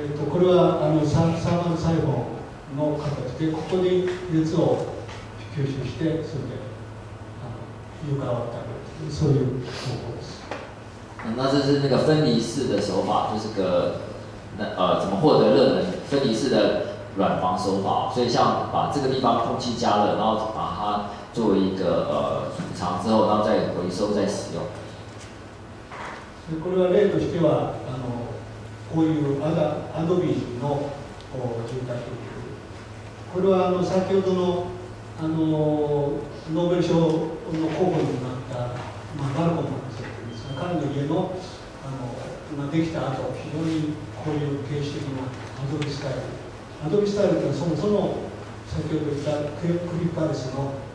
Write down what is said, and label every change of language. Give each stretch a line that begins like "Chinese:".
Japanese: これはサーマル細胞の形で、ここに熱を吸収して、それで床を温める、そういう方法です。
Chinese: 那这是那个分离式的手法，就是个怎么获得热能？分离式的软房手法，所以像把这个地方空气加热，然后把它作为一个储藏之后，然后再回收再使用。
Japanese: これは例としては。こういうアドビーの住宅、これは先ほどのノーベル賞の候補になったバルコムなんですが、彼の家の今できた後、非常にこういう形式的なアドビースタイル、アドビースタイルというのはそもそも先ほど言ったクリフパレスの